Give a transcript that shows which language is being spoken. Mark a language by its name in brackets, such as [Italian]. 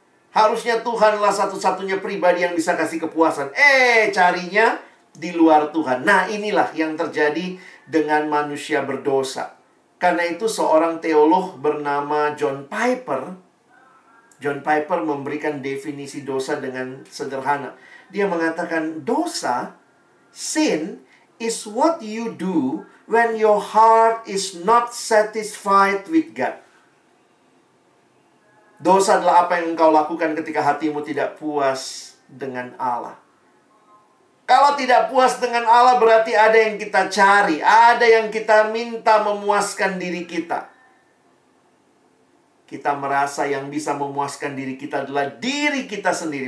[Indonesian] Harusnya Tuhanlah satu-satunya pribadi yang bisa kasih kepuasan. Carinya di luar Tuhan. Nah inilah yang terjadi dengan manusia berdosa. Karena itu seorang teolog bernama John Piper memberikan definisi dosa dengan sederhana. Dia mengatakan dosa, [English] sin, is what you do when your heart is not satisfied with God. [Indonesian] Dosa adalah apa yang engkau lakukan ketika hatimu tidak puas dengan Allah. Kalau tidak puas dengan Allah berarti ada yang kita cari, ada yang kita minta memuaskan diri kita. Kita merasa yang bisa memuaskan diri kita adalah diri kita sendiri.